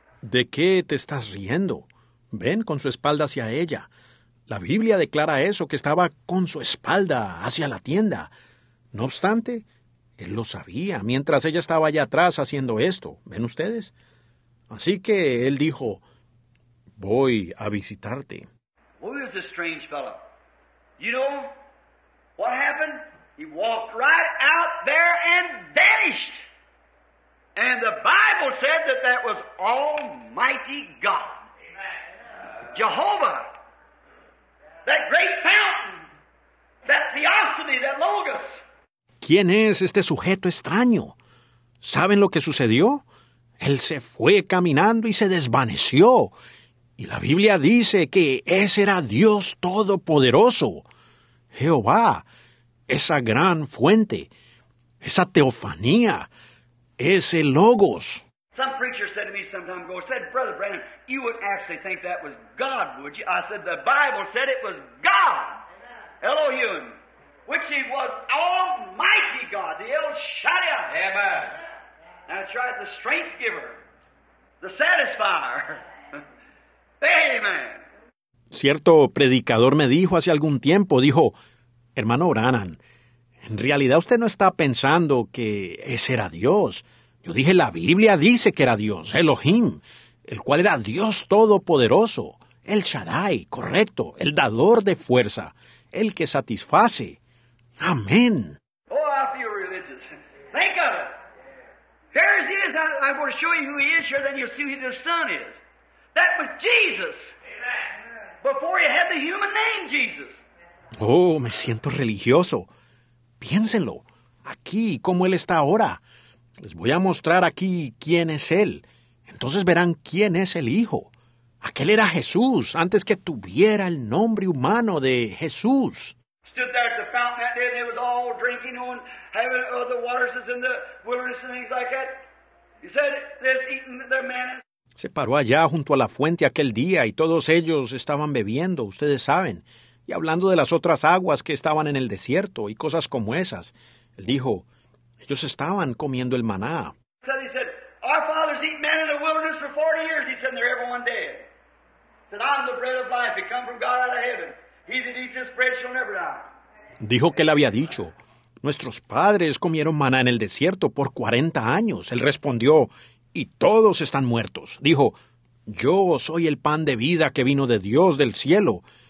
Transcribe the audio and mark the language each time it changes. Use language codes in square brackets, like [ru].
[es] ¿De qué te estás riendo? Ven con su espalda hacia ella. La Biblia declara eso, que estaba con su espalda hacia la tienda. No obstante, él lo sabía mientras ella estaba allá atrás haciendo esto. ¿Ven ustedes? Así que él dijo, voy a visitarte. [en] Well, he was a strange fellow. You know what happened? He walked right out there and vanished. And the Bible said that that was Almighty God. Amen. Jehovah. That great fountain. That theosophy, that logos. [es] ¿Quién es este sujeto extraño? ¿Saben lo que sucedió? Él se fue caminando y se desvaneció. Y la Biblia dice que ese era Dios Todopoderoso. Jehová, esa gran fuente, esa teofanía. Ese logos. [en] Some preacher said to me some time ago, said, Brother Branham, you wouldn't actually think that was God, would you? I said, the Bible said it was God. Amen. Elohim. Which he was Almighty God, the El Shaddai. Amen. Amen. That's right, the strength giver, the satisfier. Amen. [es] Cierto predicador me dijo hace algún tiempo, dijo, hermano Branham, en realidad usted no está pensando que ese era Dios. Yo dije, la Biblia dice que era Dios, Elohim, el cual era Dios Todopoderoso, el Shaddai, correcto, el dador de fuerza, el que satisface. Amén. [en] Oh, I feel religious. Think of it. There he is. I'm going to show you who he is here, then you'll see who the Son is. That was Jesus. Amen. Before he had the human name Jesus. [es] Oh, me siento religioso. Piénsenlo. Aquí, cómo él está ahora. Les voy a mostrar aquí quién es él. Entonces verán quién es el Hijo. Aquel era Jesús antes que tuviera el nombre humano de Jesús. [en] Stood there at the fountain that day and they was all drinking on having the waters in the wilderness and things like that. He said they're eating their manna. [es] Se paró allá junto a la fuente aquel día y todos ellos estaban bebiendo, ustedes saben, y hablando de las otras aguas que estaban en el desierto y cosas como esas. Él dijo, ellos estaban comiendo el maná. [en] So he said, our fathers eat manna in the wilderness for 40 years. He said, they're everyone dead. He said, I'm the bread of life. It come from God out of heaven. He that eats this bread shall never die. [es] Dijo que él había dicho, nuestros padres comieron maná en el desierto por 40 años. Él respondió, y todos están muertos. Dijo, yo soy el pan de vida que vino de Dios del cielo.